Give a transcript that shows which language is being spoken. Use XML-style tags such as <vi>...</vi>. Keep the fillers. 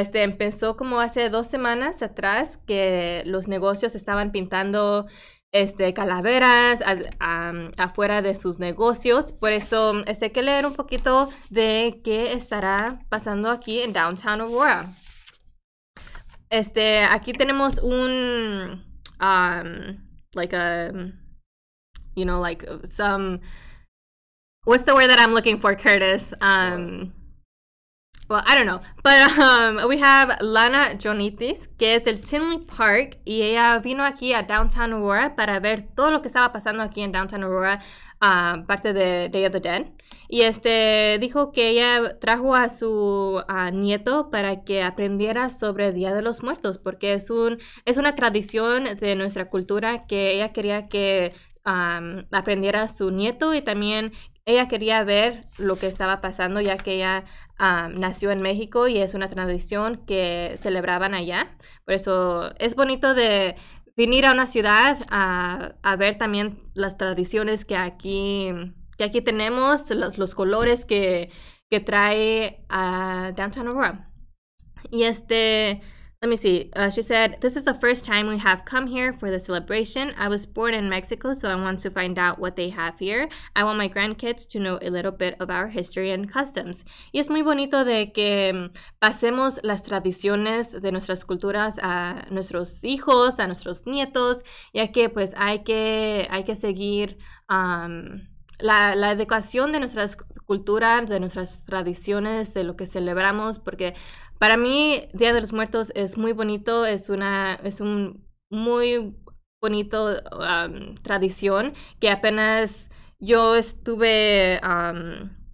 <es>Este, empezó como hace dos semanas atrás que los negocios estaban pintando este, calaveras a, um, afuera de sus negocios. Por eso este, hay que leer un poquito de qué estará pasando aquí en Downtown Aurora. Este, aquí tenemos un,</es> <en>um, like a, you know, like some, what's the word that I'm looking for, Curtis?</en> <es>Um,</es> <en>well, I don't know. But um, we have</en> <es>Lana Jonitis, que es del Tinley Park, y ella vino aquí a Downtown Aurora para ver todo lo que estaba pasando aquí en Downtown Aurora, a uh, parte de Day of the Dead. Y este, dijo que ella trajo a su uh, nieto para que aprendiera sobre el Día de los Muertos, porque es, un, es una tradición de nuestra cultura que ella quería que um, aprendiera su nieto y también ella quería ver lo que estaba pasando ya que ella um, nació en México y es una tradición que celebraban allá. Por eso es bonito de venir a una ciudad a, a ver también las tradiciones que aquí, que aquí tenemos, los, los colores que, que, trae a Downtown Aurora. Y este</es> <en>let me see. Uh, she said, This is the first time we have come here for the celebration. I was born in Mexico, so I want to find out what they have here. I want my grandkids to know a little bit of our history and customs.</en> <es>Y es muy bonito de que pasemos las tradiciones de nuestras culturas a nuestros hijos, a nuestros nietos, ya que pues hay que, hay que seguir. Um, la, la educación de nuestras culturas, de nuestras tradiciones, de lo que celebramos, porque para mí, Día de los Muertos es muy bonito, es una, es un muy bonito um, tradición que apenas yo estuve, um,</es>